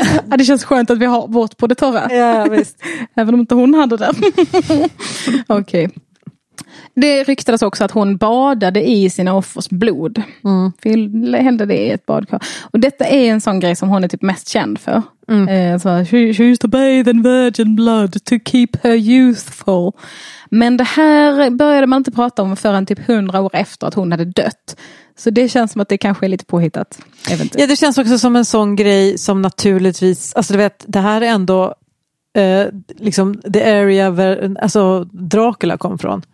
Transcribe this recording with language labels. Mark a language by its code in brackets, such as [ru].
[sv] Ja, det känns skönt att vi har vårt på det torra. Ja, visst. Även om inte hon hade den. Okej. Okay. Det ryktades också att hon badade i sina offers blod. Mm. För hände det i ett badkar. Och detta är en sån grej som hon är typ mest känd för. Mm. [en] Så, she used to bathe in virgin blood to keep her youthful. [sv] Men det här började man inte prata om förrän typ 100 år efter att hon hade dött. Så det känns som att det kanske är lite påhittat. Ja, det känns också som en sån grej som naturligtvis... Alltså du vet, det här är ändå liksom [en] the area where, [sv] alltså Dracula kom från.